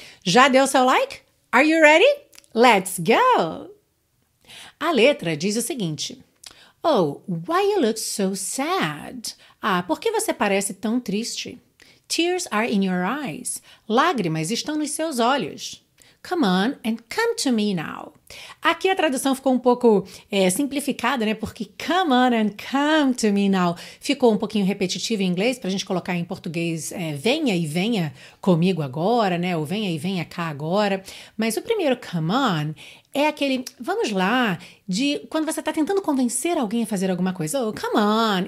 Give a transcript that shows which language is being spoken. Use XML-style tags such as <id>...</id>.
<pt>Já deu seu like?</pt> <en>Are you ready? Let's go!</en> <pt>A letra diz o seguinte.</pt> <en>Oh, why you look so sad?</en> <pt>Ah, por que você parece tão triste?</pt> <en>Tears are in your eyes.</en> <pt>Lágrimas estão nos seus olhos.</pt> <en>Come on and come to me now.</en> <pt>Aqui a tradução ficou um pouco simplificada, né? Porque</pt> <en>come on and come to me now</en> <pt>ficou um pouquinho repetitivo em inglês. Para a gente colocar em português, venha e venha comigo agora, né? Ou venha e venha cá agora. Mas o primeiro come on é aquele vamos lá de quando você está tentando convencer alguém a fazer alguma coisa.</pt> <en>Oh, come on.</en>